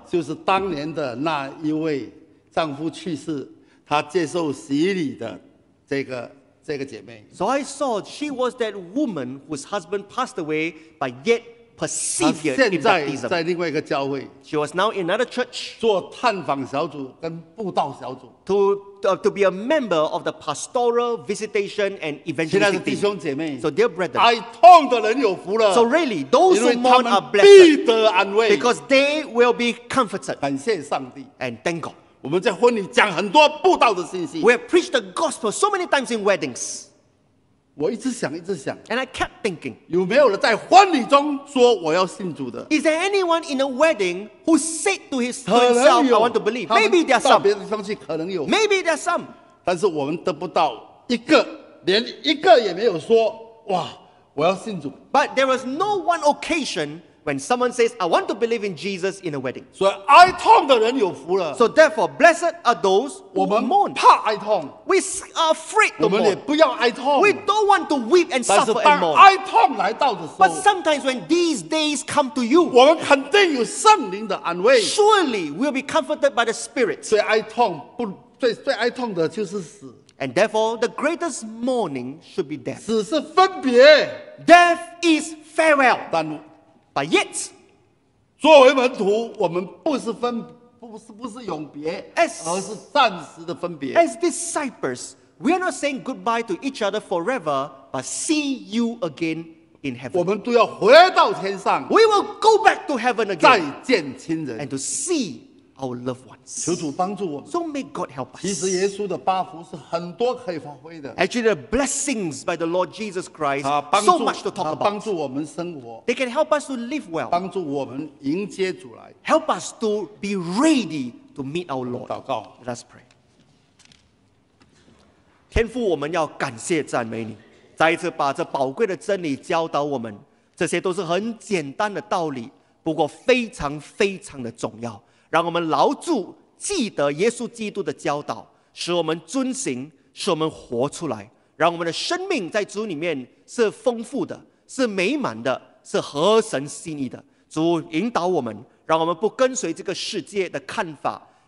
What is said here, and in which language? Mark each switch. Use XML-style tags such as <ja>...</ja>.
<zh>就是当年的那一位丈夫去世。她接受洗礼的这个姐妹。</zh> <en>So I saw she was that woman whose husband passed away, but yet perceive here in baptism.</en> <zh>在另外一个教会,</zh> <en>she was now in another church.</en> <zh>做探访小组跟布道小组,</zh> <en>to be a member of the pastoral visitation and evangelistic team.</en> <zh>现在是弟兄姐妹,</zh> <en>so dear brethren,</en> <zh>哀痛的人有福了,</zh> <en>so really, those who mourn are blessed because they will be comforted.</en> <zh>感谢上帝,</zh> <en>and thank God.</en> <zh>我们在婚礼讲很多布道的信息,</zh> <en>we have preached the gospel so many times in weddings.</en> <zh>我一直想,</zh> <en>and I kept thinking,</en> <zh>有没有人在婚礼中说我要信主的?</zh> <en>Is there anyone in a wedding who said to himself, I want to believe? Maybe there are some.</en> <zh>到别的地方去可能有,</zh> <en>maybe there are some.</en> <zh>但是我们得不到一个, 连一个也没有说, 哇, 我要信主。</zh> <en>But there was no one occasion when someone says, I want to believe in Jesus in a wedding.</en> <zh>所以哀痛的人有福了。</zh> <en>So therefore, blessed are those who mourn.</en> <zh>怕哀痛,</zh> <en>we are afraid to mourn.</en> <zh>我们也不要哀痛,</zh> <en>we don't want to weep and suffer and mourn.</en> <zh>但是当哀痛来到的时候,</zh> <en>but sometimes when these days come to you,</en> <zh>我们肯定有圣灵的安慰,</zh> <en>surely we'll be comforted by the Spirit.</en> <zh>最哀痛的就是死。</zh> <en>And therefore, the greatest mourning should be death.</en> <zh>死是分别,</zh> <en>death is farewell. But yet,</en> <zh>作为门徒, 我们不是永别, as, 而是暂时的分别,</zh> <en>as disciples, we are not saying goodbye to each other forever, but see you again in heaven.</en> <zh>我们都要回到天上,</zh> <en>we will go back to heaven again,</en> <zh>再见亲人,</zh> <en>and to see our loved ones.</en> <zh>求主帮助我们,</zh> <en>so may God help us.</en> <zh>其实耶稣的八福是很多可以发挥的,</zh> <en>actually, the blessings by the Lord Jesus Christ,</en> <zh>他帮助,</zh> <en>so much to talk about.</en> <zh>他帮助我们生活,</zh> <en>they can help us to live well.</en> <zh>帮助我们迎接主来,</zh> <en>help us to be ready to meet our Lord.</en> <zh>祷告,</zh> <en>let us pray.</en> <zh>天父，我们要感谢赞美你, 再一次把这宝贵的真理教导我们, 这些都是很简单的道理, 不过非常非常的重要, 让我们牢住记得耶稣基督的教导，使我们遵行，使我们活出来，让我们的生命在主里面是丰富的，是美满的，是合神心意的。主引导我们，让我们不跟随这个世界的看法，</zh>